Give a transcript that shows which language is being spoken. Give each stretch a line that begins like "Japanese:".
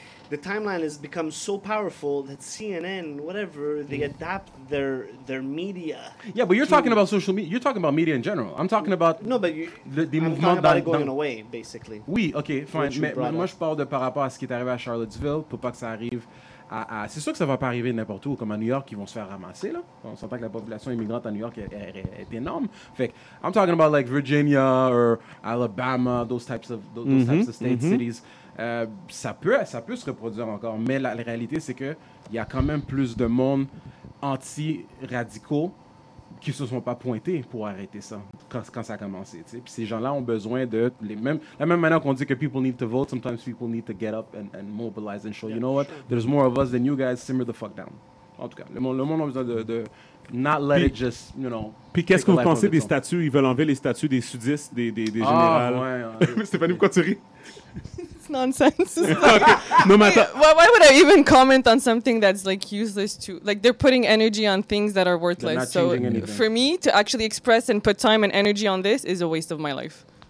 English: The timeline has become so powerful that CNN, whatever, they adapt their media. Yeah, but you're talking about social media. You're talking about media in general. I'm talking about... No, but you, the I'm movement talking about it going away, basically.
French: Oui, OK, fine. Mais moi, je parle de par rapport à ce qui est arrivé à Charlottesville pour pas que ça arrive à... C'est sûr que ça va pas arriver n'importe où, comme à New York, ils vont se faire ramasser, là. On s'entend que la population immigrante à New York est énorme. Fait que,
English: I'm talking about, like, Virginia or Alabama, those types of states, cities...
French: Ça peut se reproduire encore, mais la réalité, c'est qu'il y a quand même plus de monde anti-radicaux qui se sont pas pointés pour arrêter ça quand ça a commencé. T'sais. Puis ces gens-là ont besoin de... la même manière qu'on dit que
English: people need to vote, sometimes people need to get up and mobilize and show, yeah, you know what, sure. There's more of us than you guys, simmer the fuck down.
French: En tout cas, le monde a besoin de
English: not let
French: puis,
English: it just, you know...
French: Puis qu'est-ce que vous pensez des statues? Ils veulent enlever les statues des sudistes, des généraux. Ah, ouais. Stéphanie, pourquoi tu ris?
English: Nonsense. Okay. No, why would I even comment on something that's like useless to, like, they're putting energy on things that are worthless. So for me to actually express and put time and energy on this is a waste of my life.